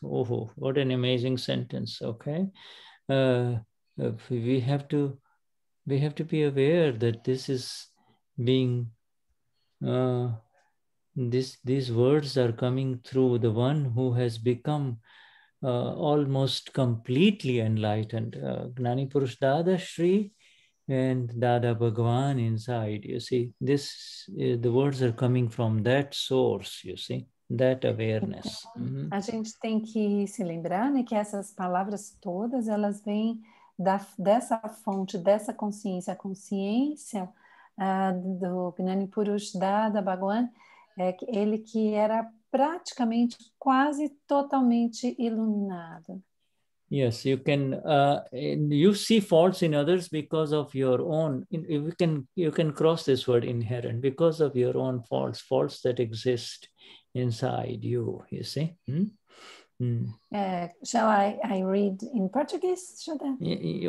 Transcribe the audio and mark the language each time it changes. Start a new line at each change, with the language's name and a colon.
English: Oh, what an amazing sentence! Okay, we have to be aware that this is being these words are coming through the one who has become almost completely enlightened, Gnani Purush Dadashri. And Dada Bhagwan inside, you see, this the words are coming from that source, you see, that awareness.
Portuguese: A gente tem que se lembrar, né, que essas palavras todas, elas vêm dessa fonte, dessa consciência, a consciência do Gnani Purush Dada Bhagwan, ele que era praticamente quase totalmente iluminado.
English: Yes, you can. You see faults in others because of your own. You can cross this word inherent because of your own faults, faults that exist inside you. You see. Shall I read in Portuguese? Should I?